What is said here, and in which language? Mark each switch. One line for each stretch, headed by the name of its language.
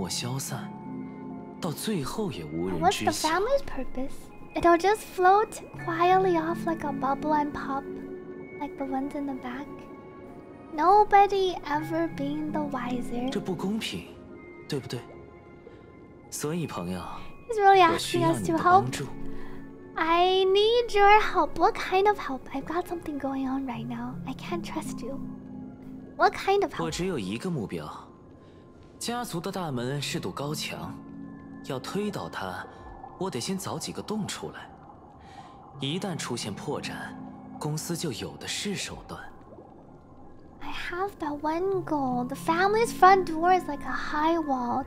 Chinese: 就这么悄无声息地化作泡沫消散，到最后也无人知晓。
English: What's the family's purpose? It'll just float quietly off like a bubble and pop, like the ones in the back. Nobody ever being the wiser.
Chinese: 这不公平，对不对？所以朋友，
English: He's really asking us to help. I need your help. What kind of help? I've got something going on right now. I can't trust you. What kind of help?
Chinese: 我只有一个目标。家族的大门是堵高墙，要推倒它，我得先凿几个洞出来。一旦出现破绽，公司就有的是手段。
English: I have but one goal. The family's front door is like a high wall.